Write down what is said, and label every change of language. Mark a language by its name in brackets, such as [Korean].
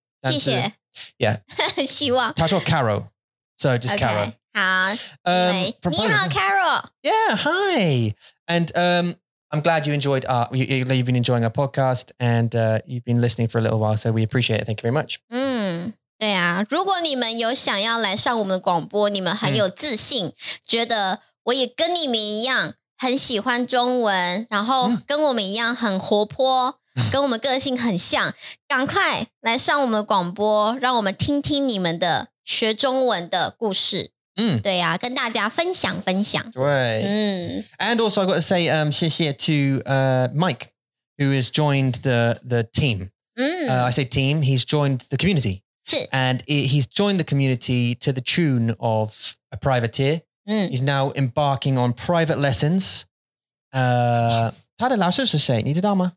[Chinese] 谢谢。 [English] Yeah. [Chinese] 希望。她说 [English] Carol, so just okay, Carol. [Chinese] 好, 你好, Carol. [English] Yeah, hi. And I'm glad you enjoyed, you've been enjoying our podcast and you've been listening for a little while, so we appreciate it. Thank you very much. [Chinese] 对啊, 如果你们有想要来上我们的广播, 你们很有自信, 觉得, 我也跟你们一样很喜欢中文，然后跟我们一样很活泼，跟我们个性很像。赶快来上我们的广播，让我们听听你们的学中文的故事。对呀，跟大家分享分享。对。And [English] also I got to say, xiexie to Mike, who has joined the team. I say team, he's joined the community. And he's joined the community to the tune of a a privateer. He's now embarking on private lessons. [Chinese] 他的老师是谁？你知道吗？